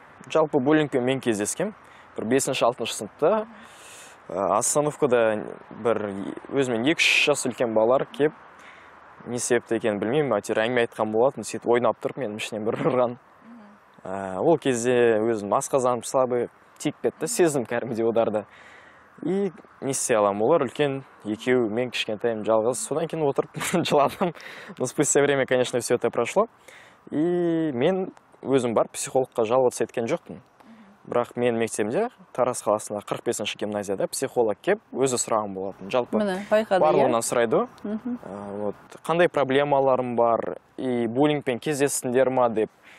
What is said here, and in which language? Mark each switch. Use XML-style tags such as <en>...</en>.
<kk>Жалпы буллингпен мен кездескем, бір 5-6 сыныпта остановкада бір өзімен 2-3 жас үлкен балалар кеп, не себепті екенін білмеймін, әйтеуір әңгіме айтқан болатын, сөйтіп ойнап тұрып менің ішінен бір ұрған. Ол кезде өзім асқазаным слабый тиіп кетті, сездім кәдімгідей ударды. И не істей аламын, олар үлкен, екеу, мен кішкентайым жалғыз, содан кейін отырып жыладым.</kk> <ru>Но спустя время, конечно, все это прошло.</ru> <kk>И мен өзім бар психологқа жалғыз сеткен жоқпын. Бірақ мен мектебімде Тараз қаласында 45-ші гимназияда психолог кеп өзі сұраған болатын. Жалпы барлығынан сұрайды. Вот, қандай проблемаларым бар, и буллингпен кездестіңдер ма деп.</kk>